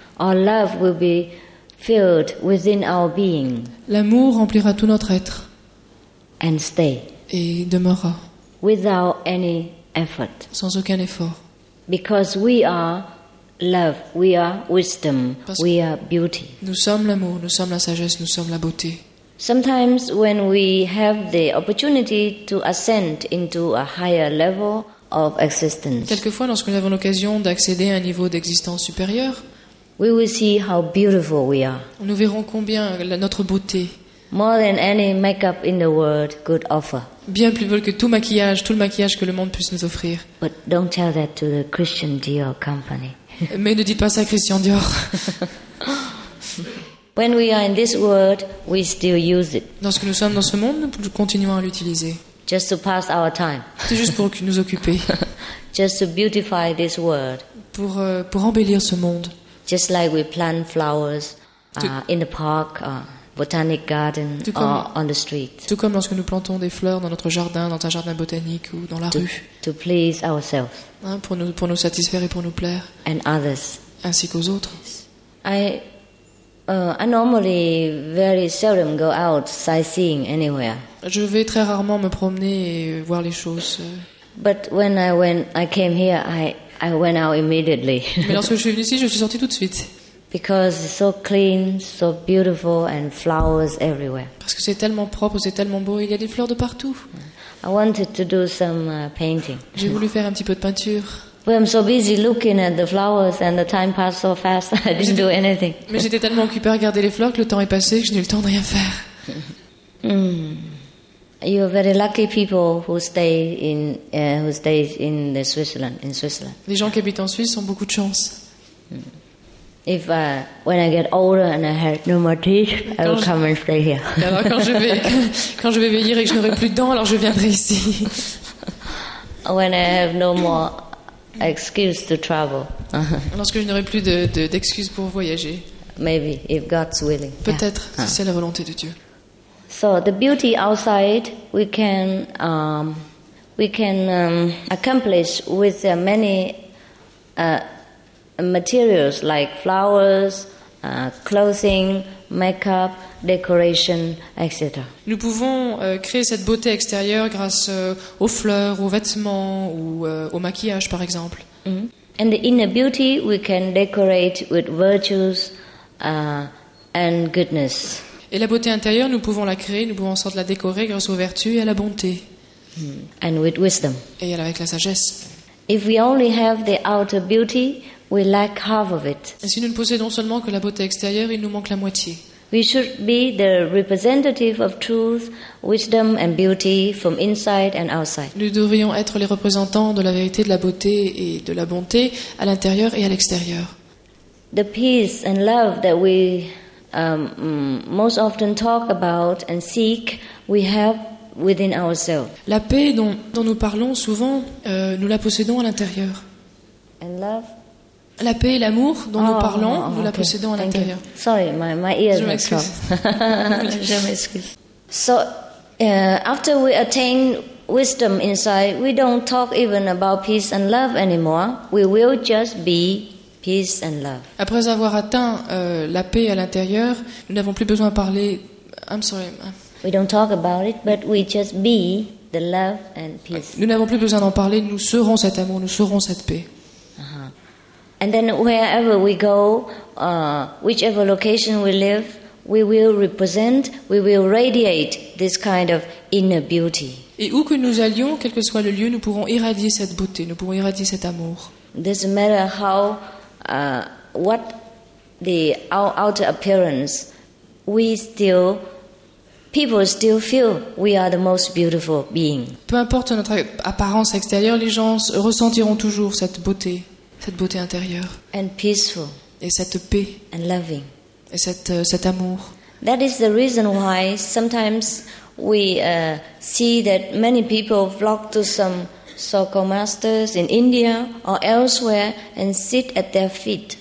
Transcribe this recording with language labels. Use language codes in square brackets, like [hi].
[en] Our love will be filled within our being. [fr] L'amour remplira tout notre être. [en] And stay. [fr] Et demeurera. [en] Without any effort. [fr] Sans aucun effort. [en] Because we are love, we are wisdom, we are beauty. [fr] Nous sommes l'amour, nous sommes la sagesse, nous sommes la beauté. [en] Sometimes when we have the opportunity to ascend into a higher level. Of existence. [fr] Quelquefois, lorsque nous avons l'occasion d'accéder à un niveau d'existence supérieur, [en] we will see how beautiful we are. [fr] Nous verrons combien notre beauté. [en] More than any makeup in the world could offer. [fr] Bien plus beau que tout le maquillage que le monde puisse nous offrir. [en] But don't tell that to the Christian Dior company. [fr] Mais ne dites pas ça à Christian Dior. [en] When we are in this world, we still use it. [fr] Lorsque nous sommes dans ce monde, nous continuons à l'utiliser. [en] Just to pass our time. [fr] C'est juste pour nous occuper. [en] Just to beautify this world. [fr] Pour embellir ce monde. [en] Just like we plant flowers in the park, botanic garden, or on the street. [fr] Tout comme lorsque nous plantons des fleurs dans notre jardin, dans un jardin botanique ou dans la rue. [en] To please ourselves. [fr] Hein, pour nous satisfaire et pour nous plaire. [en] And others. [fr] Ainsi qu'aux autres. [en] I I normally very seldom go out sightseeing anywhere. [fr] Je vais très rarement me promener et voir les choses. [en] But when I came here, I went out immediately. [fr] Mais lorsque je suis venue ici, je suis sortie tout de suite. [en] Because it's so clean, so beautiful, and flowers everywhere. [fr] Parce que c'est tellement propre, c'est tellement beau, il y a des fleurs de partout. [en] I wanted to do some painting. [fr] J'ai voulu faire un petit peu de peinture. [en] But I'm so busy looking at the flowers, and the time passed so fast, I didn't do anything. [fr] Mais j'étais tellement occupée à regarder les fleurs que le temps est passé, que je n'ai eu le temps de rien faire. [en] You are very lucky people who stay in Switzerland. [fr] Les gens qui habitent en Suisse ont beaucoup de chance. [en] If when I get older and I have no more teeth, I will come and stay here. [fr] Alors quand je vais vieillir et que je n'aurai plus de dents, alors je viendrai ici. [en] When I have no more excuse to travel. [fr] Lorsque je n'aurai plus d'excuses pour voyager. [en] Maybe if God's willing. [fr] Peut-être si c'est la volonté de Dieu. [en] So the beauty outside we can accomplish with many materials like flowers, clothing, makeup, decoration, etc. [fr] Nous pouvons créer cette beauté extérieure grâce aux fleurs, aux vêtements ou au maquillage par exemple. Mm-hmm. [en] And the inner beauty we can decorate with virtues and goodness. [fr] Et la beauté intérieure, nous pouvons la créer, nous pouvons en sorte la décorer grâce aux vertus et à la bonté. [en] And with wisdom. [fr] Et avec la sagesse. [en] If we only have the outer beauty, we lack half of it. [fr] Et si nous ne possédons seulement que la beauté extérieure, il nous manque la moitié. [en] We should be the representative of truth, wisdom and beauty from inside and outside. [fr] Nous devrions être les représentants de la vérité, de la beauté et de la bonté à l'intérieur et à l'extérieur. [en] The peace and love that we most often talk about and seek, we have within ourselves. [fr] La paix dont nous parlons souvent, nous la possédons à l'intérieur. [en] And love. [fr] La paix et l'amour dont nous parlons, nous la possédons à l'intérieur. [en] Sorry, my ears are closed. [fr] Je m'excuse. [en] So, after we attain wisdom inside, we don't talk even about peace and love anymore. We will just be. Peace and love. [fr] Après avoir atteint la paix à l'intérieur, nous n'avons plus besoin de parler. [en] I'm sorry. We don't talk about it, but we just be the love and peace. [fr] Nous n'avons plus besoin d'en parler. Nous serons cet amour. Nous serons cette paix. [en] And then wherever we go, whichever location we live, we will represent, we will radiate this kind of inner beauty. [fr] Et où que nous allions, quel que soit le lieu, nous pourrons irradier cette beauté. Nous pourrons irradier cet amour. [en] It doesn't matter how. What the outer appearance, people still feel we are the most beautiful being. [fr] Peu importe notre apparence extérieure, les gens ressentiront toujours cette beauté intérieure. [en] And peaceful. [fr] Et cette paix. [en] And loving. [fr] Et cet amour. [en] That is the reason why sometimes we see that many people flock to some. Circle masters in India or elsewhere and sit at their feet.